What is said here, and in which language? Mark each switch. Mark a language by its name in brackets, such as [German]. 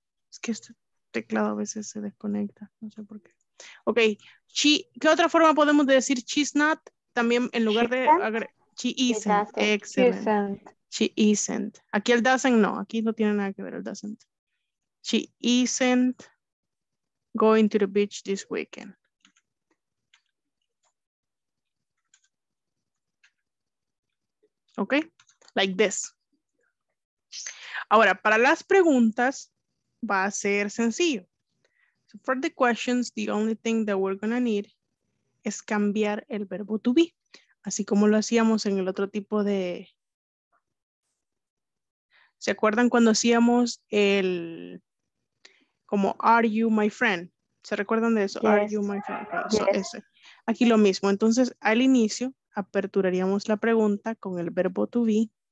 [Spanish] Es que este teclado a veces se desconecta. No sé por qué. Ok. ¿Qué otra forma podemos decir she's not? También en lugar de... [English] She isn't. Excellent. She isn't. [Spanish] Aquí el doesn't, no. Aquí no tiene nada que ver el doesn't. [English] She isn't going to the beach this weekend. Ok. Like this. [Spanish] Ahora, para las preguntas va a ser sencillo. [English] So for the questions, the only thing that we're going to need [Spanish] es cambiar el verbo [English] to be. [Spanish] Así como lo hacíamos en el otro tipo de... ¿Se acuerdan cuando hacíamos el... como [English] are you my friend? [Spanish] ¿Se recuerdan de eso? [English] Yes. Are you my friend? So yes. [Spanish] Aquí lo mismo. Entonces, al inicio, aperturaríamos la pregunta con el verbo to be.